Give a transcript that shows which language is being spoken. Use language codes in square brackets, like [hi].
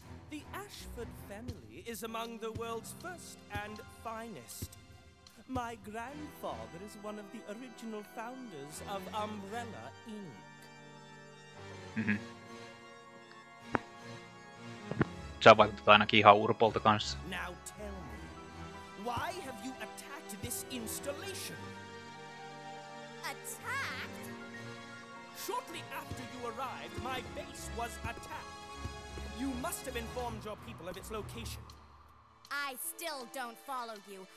[en] The Ashford family is among the world's first and finest. My grandfather is one of the original founders of Umbrella Inc. Mhm. [fi] Sä vaikutat ainakin ihan urpolta kanssa. [en] Now tell me, why have you attacked this installation? Attacked? Shortly after you arrived, my base was attacked. You must have informed your people of its location. I still don't follow you.